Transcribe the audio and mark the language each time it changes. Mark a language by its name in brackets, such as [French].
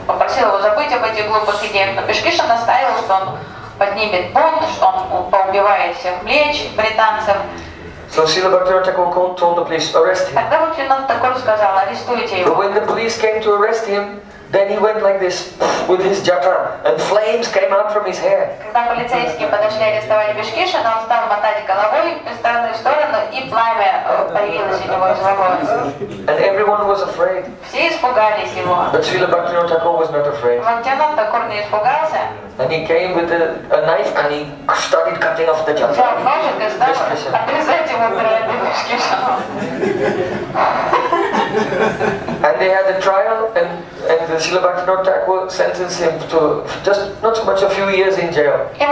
[Russian] Попросил его забыть об этих глупых идеях, но Бхишкишан настаивал, что он поднимет бунт, что он поубивает всех млеч британцев. [English] So Srila Bhaktivinoda Thakur told the police, arrest him. [Russian] Тогда Бхактивинода Такур сказал, арестуйте его. [English] But when the police came to arrest him, then he went like this with his jata, and flames came out from his hair. [Russian] Когда полицейские подошли арестовать Бхишкишана, он стал мотать головой из стороны в сторону, и пламя появилось у него из волос. [English] And everyone was afraid. [Russian] Все испугались его. [English] But Srila Bhaktivinoda Thakur was not afraid. [Russian] Бхактивинода Такур не испугался. [English] And he came with a knife and he started cutting off the jata. And they had a trial and the Srila Bhaktivinoda Thakur sentenced him to just not so much a few years in jail.